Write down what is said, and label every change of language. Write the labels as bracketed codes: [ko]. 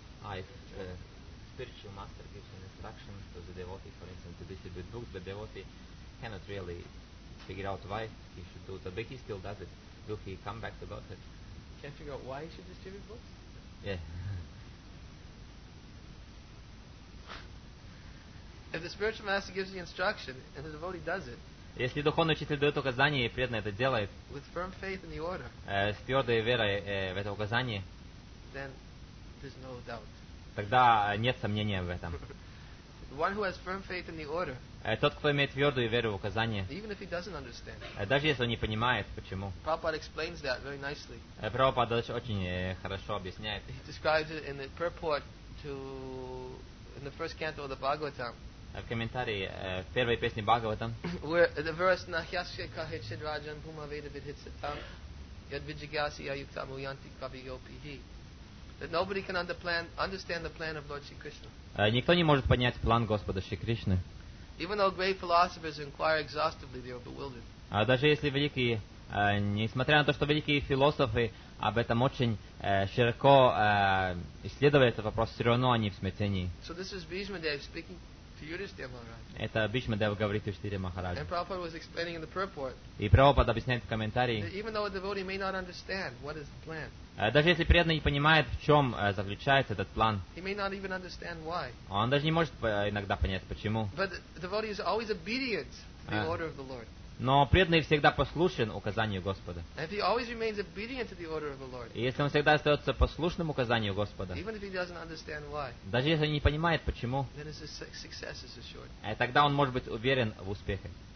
[en] If spiritual master gives an instruction to the devotee, for instance, to distribute books, the devotee cannot really figure out why he should do it. But he still does it. Will he come back to Godhead? Can't figure out why he should distribute books? Yeah. If the spiritual master gives the instruction and the devotee does it, [ru] если духовный учитель дает указание и преданно это делает [en] order, [ru] с твердой верой в это указание, [en] no [ru] тогда нет сомнения в этом. [en] Order, [ru] тот, кто имеет твердую веру в указание, даже если он не понимает, почему. Прабхупада очень хорошо объясняет. [en] He describes it in the purport to in the first canto of the Bhagavatam. [ru] В комментарии в первой песне Бхагаватам. [sa] The verse Nahyasya Kahichid Rajan Puma Veda Vidhitsatam Yadvijigasi Ayuktamu Yanti Kaviyopihi. [en] That nobody can understand the plan of Lord Shri Krishna. [ru] Никто не может понять план Господа Шри Кришны. [en] Even though great philosophers inquire exhaustively, they are bewildered. [ru] Даже если великие, несмотря на то, что великие философы об этом очень широко исследовали этот вопрос, все равно они в смятении. [en] So this is Bhishma Dev speaking. [ru] Это Бхишма Дева говорит Юдхиштхире Махараджу. [en] And Prabhupada was explaining in the purport. [ru] И Прабхупада объясняет в комментарии. [en] Even though a devotee may not understand what is the plan. [ru] Даже если преданный не понимает, в чем заключается этот план. [en] He may not even understand why. [ru] Он даже не может иногда понять почему. [en] But the devotee is always obedient to the order of the Lord. [ru] Но преданный всегда послушен указанию Господа. [en] And if he always remains obedient to the order of the Lord. [ru] И если он всегда остается послушным указанию Господа. [en] Even if he doesn't understand why. [ru] Даже если он не понимает почему. [en] Then his success is assured. [ru] Тогда он может быть уверен в успехе.